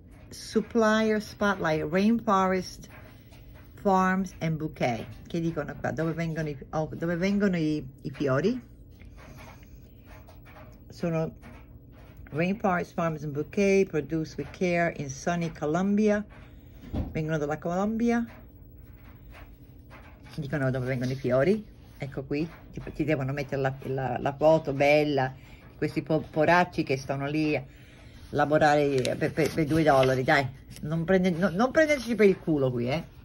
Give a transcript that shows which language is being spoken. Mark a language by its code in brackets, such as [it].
[it] Supplier Spotlight, Rainforest Farms and Bouquet, che dicono qua dove vengono i fiori? [en] Sono Rainforest Farms and Bouquet, produced with care in sunny Colombia. [it] Vengono dalla Colombia, dicono dove vengono i fiori, ecco qui, ti devono mettere la foto bella, questi poracci che stanno lì a lavorare per $2, dai, non prenderci per il culo qui, eh.